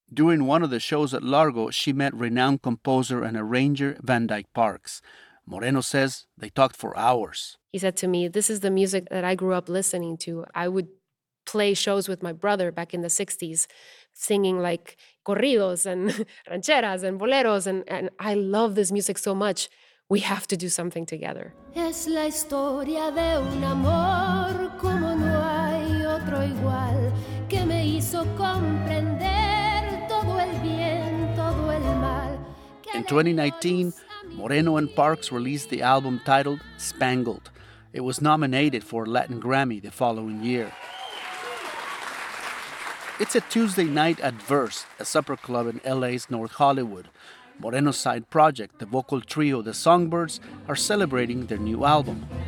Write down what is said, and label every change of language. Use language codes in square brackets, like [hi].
[en] During one of the shows at Largo, she met renowned composer and arranger Van Dyke Parks. Moreno says they talked for hours. He said to me, this is the music that I grew up listening to. I would play shows with my brother back in the 60s, singing like corridos and rancheras and boleros. And I love this music so much. We have to do something together. [es] Es la historia de un amor como no hay otro igual que me hizo comprender todo el bien, todo el mal. [en] In 2019, Moreno and Parks released the album titled Spangled. It was nominated for a Latin Grammy the following year. It's a Tuesday night at Verse, a supper club in LA's North Hollywood. Moreno's side project, the vocal trio The Songbirds, are celebrating their new album.